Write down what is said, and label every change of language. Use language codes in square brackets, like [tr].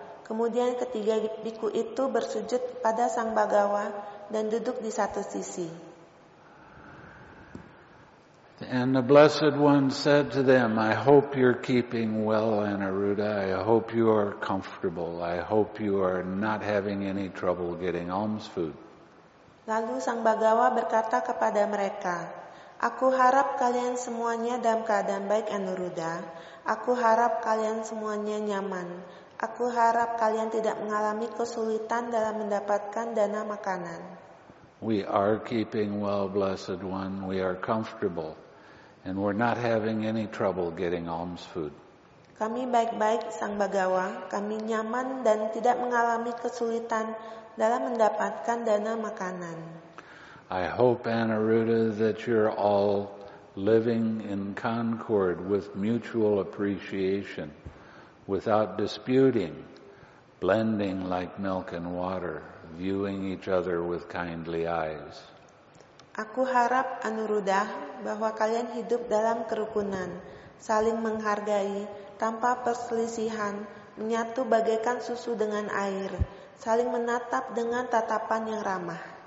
[id] Kemudian ketiga bhikkhu itu bersujud pada Sang Bhagawa dan duduk di satu sisi. [en] And the Blessed One said to them, "I hope you're keeping well, Anuruddha. I hope you are comfortable. I hope you are not having any trouble getting alms food." [id] Lalu Sang Bhagawa berkata kepada mereka, "Aku harap kalian semuanya dalam keadaan baik, Anuruddha. Aku harap kalian semuanya nyaman. Aku harap kalian tidak mengalami kesulitan dalam mendapatkan dana makanan." [en] "We are keeping well, Blessed One. We are comfortable. And we're not having any trouble getting alms food." [id] Kami baik-baik, Sang Bhagawa. Kami nyaman dan tidak mengalami kesulitan dalam mendapatkan dana makanan. [en] "I hope, Anuruddha, that you're all living in concord with mutual appreciation, without disputing, blending like milk and water, viewing each other with kindly eyes." [id] Aku harap, Anuruddha, bahwa kalian hidup dalam kerukunan, saling menghargai, tanpa perselisihan, menyatu bagaikan susu dengan air, saling menatap dengan tatapan yang ramah.